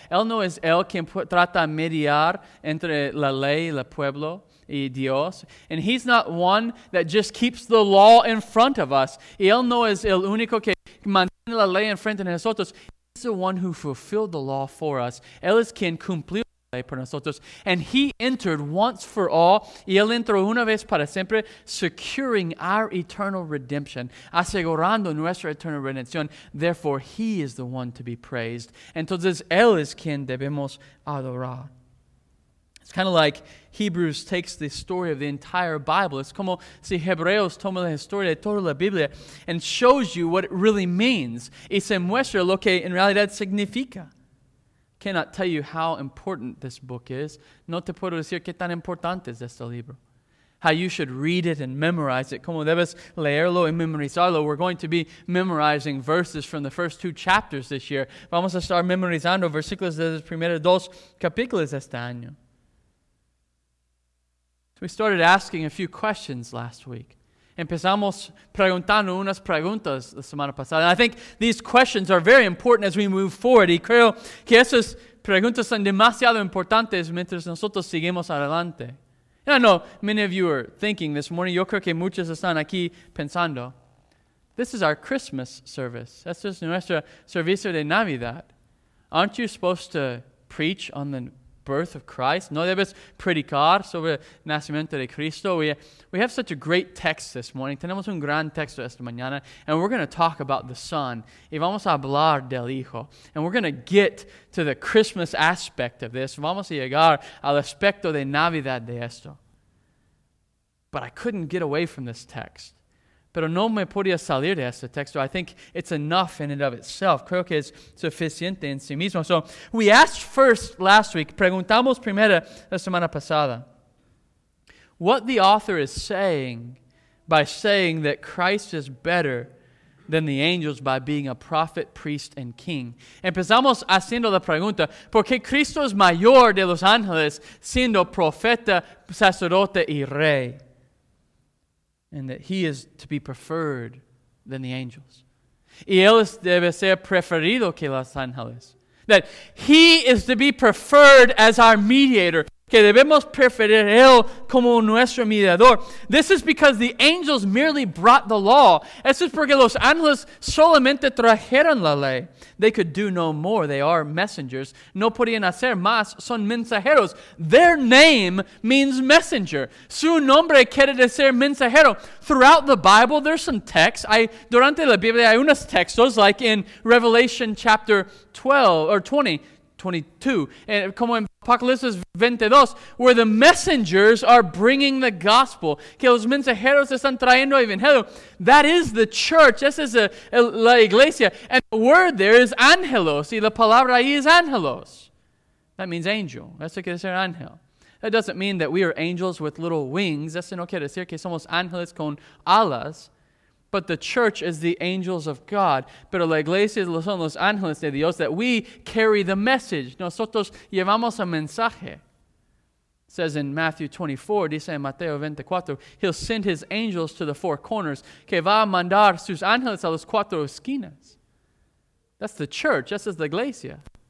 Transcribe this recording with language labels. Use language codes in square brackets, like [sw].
[es] Él no es él quien trata mediar entre la ley y el pueblo. Y Dios. [en] And he's not one that just keeps the law in front of us. [es] Y él no es el único que mantiene la ley en frente de nosotros. [en] He's the one who fulfilled the law for us. [es] Él es quien cumplió la ley por nosotros. [en] And he entered once for all. [es] Y él entró una vez para siempre, [en] securing our eternal redemption, [es] asegurando nuestra eternal redención. [en] Therefore, he is the one to be praised. [es] Entonces, él es quien debemos adorar. [en] It's kind of like Hebrews takes the story of the entire Bible. [es] It's como si Hebreos toma la historia de toda la Biblia [en] and shows you what it really means. [es] Y se muestra lo que en realidad significa. [en] Cannot tell you how important this book is. [es] No te puedo decir qué tan importante es este libro. [en] How you should read it and memorize it. [es] Como debes leerlo y memorizarlo. [en] We're going to be memorizing verses from the first two chapters this year. [es] Vamos a estar memorizando versículos de los primeros dos capítulos este año. [en] We started asking a few questions last week. [es] Empezamos preguntando unas preguntas la semana pasada. [en] And I think these questions are very important as we move forward. [es] Y creo que esas preguntas son demasiado importantes mientras nosotros seguimos adelante. [en] And I know many of you are thinking this morning, [es] yo creo que muchos están aquí pensando, [en] this is our Christmas service. [es] Esto es nuestro servicio de Navidad. [en] Aren't you supposed to preach on the birth of Christ? [es] No debes predicar sobre nacimiento de Cristo. [en] We have such a great text this morning. [es] Tenemos un gran texto esta mañana. [en] And we're going to talk about the Son. [es] Y vamos a hablar del Hijo. [en] And we're going to get to the Christmas aspect of this. [es] Vamos a llegar al aspecto de Navidad de esto. [en] But I couldn't get away from this text. [es] Pero no me podía salir de este texto. [en] I think it's enough in and of itself. [es] Creo que es suficiente en sí mismo. [en] So we asked first last week, [es] preguntamos primero la semana pasada, [en] what the author is saying by saying that Christ is better than the angels by being a prophet, priest, and king. [es] Empezamos haciendo la pregunta, ¿por qué Cristo es mayor de los ángeles siendo profeta, sacerdote, y rey? [en] And that he is to be preferred than the angels. [es] Y él debe ser preferido que los ángeles. [en] That he is to be preferred as our mediator. [es] Que debemos preferir él como nuestro mediador. [en] This is because the angels merely brought the law. [es] Esto es porque los ángeles solamente trajeron la ley. [en] They could do no more. They are messengers. [es] No podían hacer más. Son mensajeros. [en] Their name means messenger. [es] Su nombre quiere decir mensajero. [en] Throughout the Bible, there's some texts. [es] Durante la Biblia hay unos textos, [en] like in Revelation chapter 12 or 20, 22. And [es] como en [en] Apocalipsis 22, where the messengers are bringing the gospel. [es] Que los mensajeros están trayendo el evangelio. [en] That is the church. [es] Esa es la iglesia. [en] And the word there is angelos. [es] Y la palabra ahí es angelos. [en] That means angel. [es] Eso quiere decir ángel. [en] That doesn't mean that we are angels with little wings. [es] Eso no quiere decir que somos ángeles con alas. [en] But the church is the angels of God. [es] Pero la iglesia son los ángeles de Dios, [en] that we carry the message. [es] Nosotros llevamos el mensaje. [en] It says in Matthew 24, [es] dice en Mateo 24, [en] he'll send his angels to the four corners, [es] que va a mandar sus ángeles a las cuatro esquinas. [en] That's the church. That's the iglesia.